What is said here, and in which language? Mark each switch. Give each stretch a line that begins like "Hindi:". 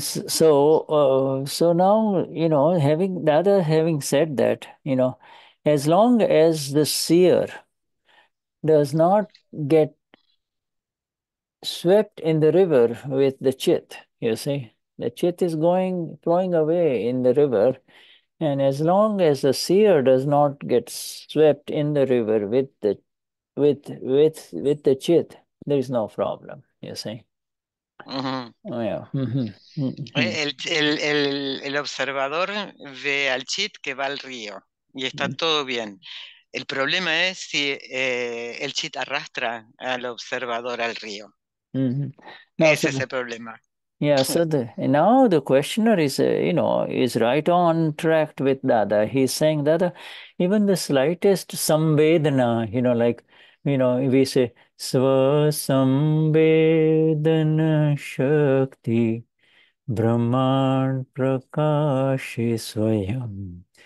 English: So now, you know, having said that, you know, as long as the seer does not get swept in the river with the chit, you see, the chit is going, flowing away in the river, And as long as the seer does not get swept in the river with the chit, there is no problem, you see. Uh-huh. Oh, yeah.
Spanish: El observador ve al chit que va al río y está todo bien. El problema es si el chit arrastra al observador al río. Mm-hmm. Ese es el problema.
English: Yeah, so now the questioner is right on track with Dada. He's saying, Dada, even the slightest samvedana, we say,
Sanskrit: sva samvedana shakti brahman prakashi swayam